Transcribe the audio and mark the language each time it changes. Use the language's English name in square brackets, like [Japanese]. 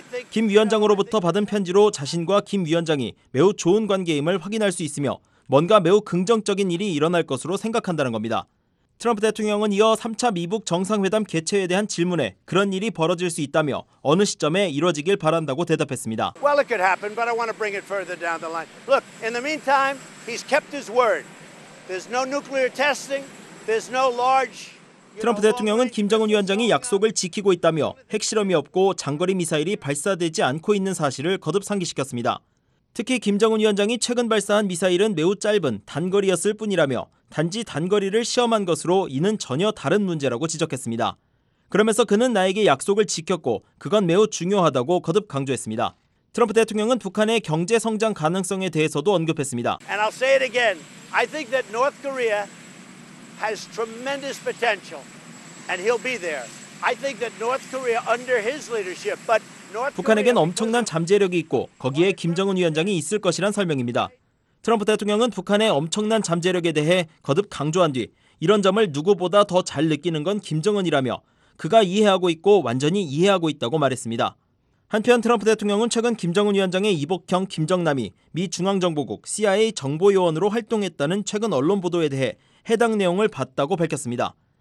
[Korean] 김 위원장으로부터 받은 편지로 자신과 김 위원장이 매우 좋은 관계임을 확인할 수 있으며 뭔가 매우 긍정적인 일이 일어날 것으로 생각한다는 겁니다. 트럼프 대통령은 이어 3차 미북 정상회담 개최에 대한 질문에 그런 일이 벌어질 수 있다며 어느 시점에 이뤄지길 바란다고 대답했습니다. [English] Well, it could happen, but I want to bring it further down the line. Look, in the meantime, he's kept his word. There's no nuclear testing. There's no large [Korean] 트럼프 대통령은 김정은 위원장이 약속을 지키고 있다며 핵실험이 없고 장거리 미사일이 발사되지 않고 있는 사실을 거듭 상기시켰습니다. 특히 김정은 위원장이 최근 발사한 미사일은 매우 짧은 단거리였을 뿐이라며 단지 단거리를 시험한 것으로 이는 전혀 다른 문제라고 지적했습니다. 그러면서 그는 나에게 약속을 지켰고 그건 매우 중요하다고 거듭 강조했습니다. 트럼프 대통령은 북한의 경제 성장 가능성에 대해서도 언급했습니다. [English] And I'll say it again. I think that North Korea has tremendous potential and he'll be there. I think that North Korea under his leadership, but North [Korean] 북한에겐 엄청난 잠재력이 있고 거기에 김정은 위원장이 있을 것이란 설명입니다. 트럼프 대통령은 북한의 엄청난 잠재력에 대해 거듭 강조한 뒤 이런 점을 누구보다 더 잘 느끼는 건 김정은이라며 그가 이해하고 있고 완전히 이해하고 있다고 말했습니다. 한편 트럼프 대통령은 최근 김정은 위원장의 이복형 김정남이 미 중앙정보국 CIA 정보요원으로 활동했다는 최근 언론 보도에 대해 해당 내용을 봤다고 밝혔습니다.